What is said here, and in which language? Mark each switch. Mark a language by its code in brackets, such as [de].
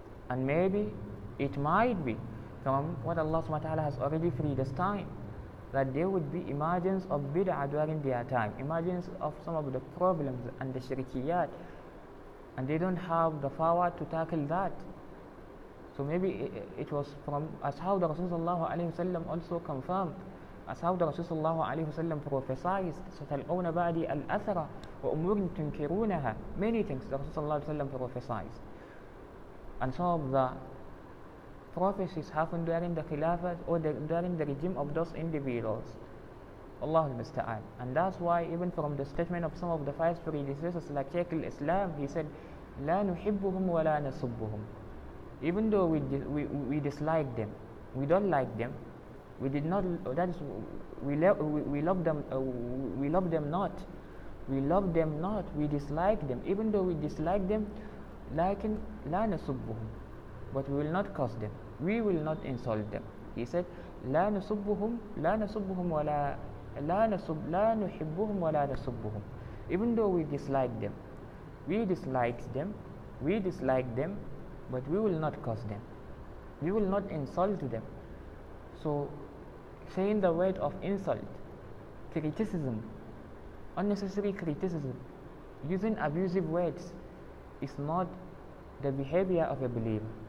[en] And maybe it might be from what Allah subhanahu wa ta'ala has already predestined, that there would be emergence of bid'ah during their time, emergence of some of the problems and the shirkiyat, and they don't have the power to tackle that. So maybe it was from, as how the Rasulullah also confirmed [ar] أصحاب الرسول صلى الله عليه وسلم [en] prophesized, [ar] ستلقون بعدي الأثرة وأمور تنكرونها. [en] Many things the Rasul [ar] صلى الله عليه وسلم [en] prophesized. And some of the prophecies happened during the Khilafah or during the regime of those individuals. Allah [ar] المستعان. [en] And that's why even from the statement of some of the five predecessors like Sheikh al-Islam, he said, [ar] لا نحبهم ولا نصبهم. [en] Even though we dislike them, we don't like them, we did not, that is, we love them not, we dislike them. Even though we dislike them, [ar] لكن لا نصبهم, [en] but we will not curse them, we will not insult them. He said, [ar] لا نحبهم ولا نصبهم. [en] Even though we dislike them, but we will not curse them, we will not insult them. So saying the word of insult, criticism, unnecessary criticism, using abusive words is not the behavior of a believer.